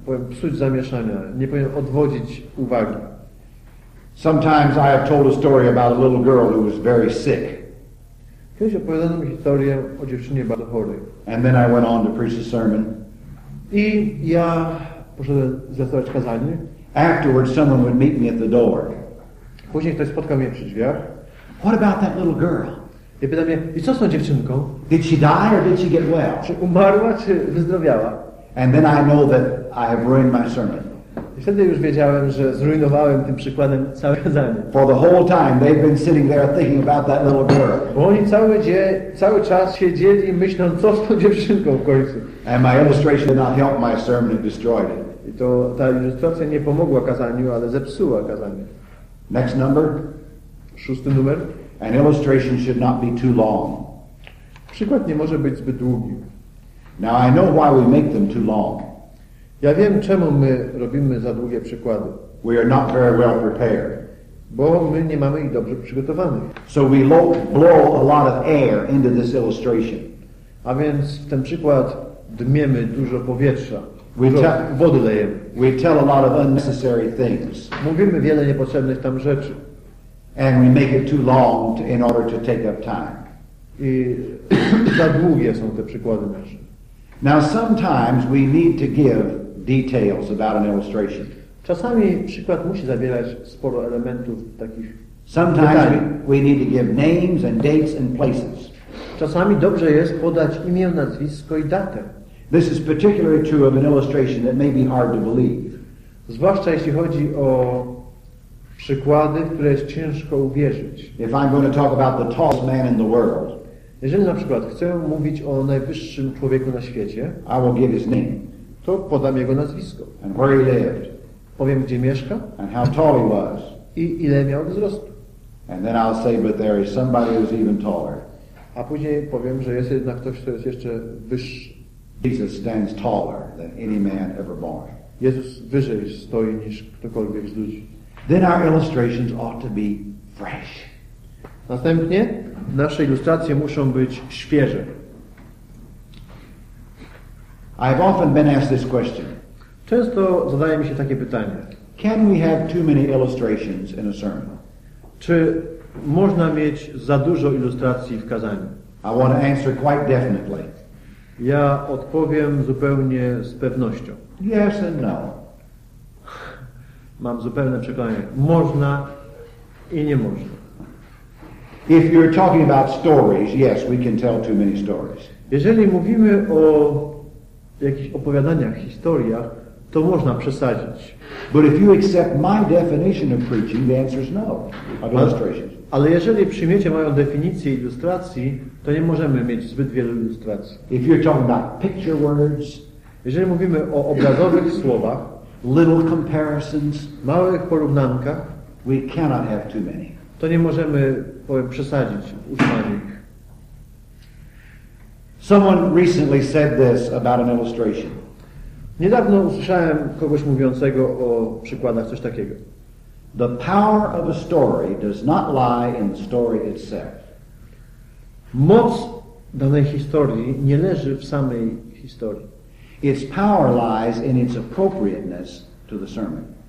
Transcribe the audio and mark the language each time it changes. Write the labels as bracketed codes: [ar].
[pl] Powiem, psuć zamieszania, nie powinien odwodzić uwagi. [en] Sometimes I have told a story about a little girl who was very sick. [pl] Kiedyś opowiadano mi historię o dziewczynie bardzo chorej. [en] And then I went on to preach the sermon. [pl] I ja poszedłem zlecować kazanie. [en] Afterwards, someone would meet me at the door. [pl] Później ktoś spotkał mnie przy drzwiach. [en] What about that little girl? [pl] I pyta mnie, i co z tą dziewczynką? [en] Did she die or did she get well? [pl] Czy umarła, czy wyzdrowiała? [en] And then I know that I have ruined my sermon. [pl] I wtedy już wiedziałem, że zrujnowałem tym przykładem całe kazanie. [en] For the whole time they've been sitting there thinking about that little girl. [pl] Bo oni cały czas siedzieli i myślą, co z tą dziewczynką w końcu. [en] And my illustration did not help my sermon and destroyed it. [pl] I to ta ilustracja nie pomogła kazaniu, ale zepsuła kazanie. [en] Next number. [pl] Szósty numer. [en] An illustration should not be too long. [pl] Przykład nie może być zbyt długi. [en] Now I know why we make them too long. [pl] Ja wiem, czemu my robimy za długie przykłady. [en] We are not very well prepared. [pl] Bo my nie mamy ich dobrze przygotowanych. [en] So we blow a lot of air into this illustration. [pl] A więc w ten przykład dmiemy dużo powietrza. Wody lejemy. [en] We tell a lot of unnecessary things. [pl] Mówimy wiele niepotrzebnych tam rzeczy. [en] And we make it too long to, in order to take up time. [pl] I za długie są te przykłady nasze. [en] Now sometimes we need to give details about an illustration. [pl] Czasami przykład musi zawierać sporo elementów takich. [en] Sometimes we need to give names and dates and places. [pl] Czasami dobrze jest podać imię, nazwisko i datę. [en] This is particularly true of an illustration that may be hard to believe. [pl] Zwłaszcza jeśli chodzi o przykłady, w które jest ciężko uwierzyć. [en] If I'm going to talk about the tallest man in the world, [pl] jeżeli na przykład chcę mówić o najwyższym człowieku na świecie, [en] I will give his name, [pl] to podam jego nazwisko. [en] And where he lived, [pl] powiem, gdzie mieszka, [en] and how tall he was, [pl] i ile miał wzrostu. [en] And then I'll say, but there is somebody who's even taller. [pl] A później powiem, że jest jednak ktoś, kto jest jeszcze wyższy. [en] Jesus stands taller than any man ever born. [pl] Jezus wyżej stoi niż ktokolwiek z ludzi. [en] Then our illustrations ought to be fresh. [pl] Następnie nasze ilustracje muszą być świeże. [en] I have often been asked this question. [pl] Często zadaje mi się takie pytanie. [en] Can we have too many illustrations in a sermon? [pl] Czy można mieć za dużo ilustracji w kazaniu? [en] I want to answer quite definitely. [pl] Ja odpowiem zupełnie z pewnością. [en] Yes and no. [pl] Mam zupełne przekonanie. Można i nie można. [en] If you're talking about stories, yes, we can tell too many stories. [pl] Jeżeli mówimy o jakichś opowiadaniach, historiach, to można przesadzić. [en] But if you accept my definition of preaching, the answer is no. [pl] Ale jeżeli przyjmiecie moją definicję ilustracji, to nie możemy mieć zbyt wielu ilustracji. [en] If you're talking about picture words, [pl] jeżeli mówimy o obrazowych słowach, [en] little comparisons, [pl] małych porównankach, [en] we cannot have too many. [pl] To nie możemy, powiem, przesadzić uznanych. [en] Someone recently said this about an illustration. [pl] Niedawno usłyszałem kogoś mówiącego o przykładach coś takiego. [en] The power of a story does not lie in the story itself. [pl] Moc danej historii nie leży w samej historii. [en] Its power lies in its appropriateness to the sermon.